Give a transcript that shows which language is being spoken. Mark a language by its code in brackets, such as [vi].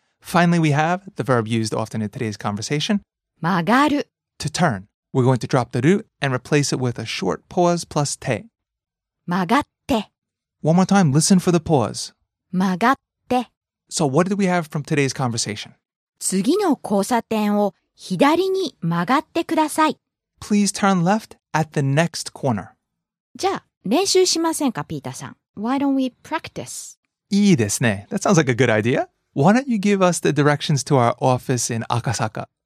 [en] Finally, we have the verb used often in today's conversation. [ja] 曲がる. [en] To turn. We're going to drop the root and replace it with a short pause plus て. [ja] 曲がって. [en] One more time. Listen for the pause. [ja] 曲がって. [en] So what did we have from today's conversation? [ja] 次の交差点を左に曲がってください。 [en] Please turn left at the next corner. [ja] じゃあ、練習しませんか、ピーターさん。 [en] Why don't we practice? [ja] いいですね。 [en] That sounds like a good idea. Why don't you give us the directions to our office in Akasaka?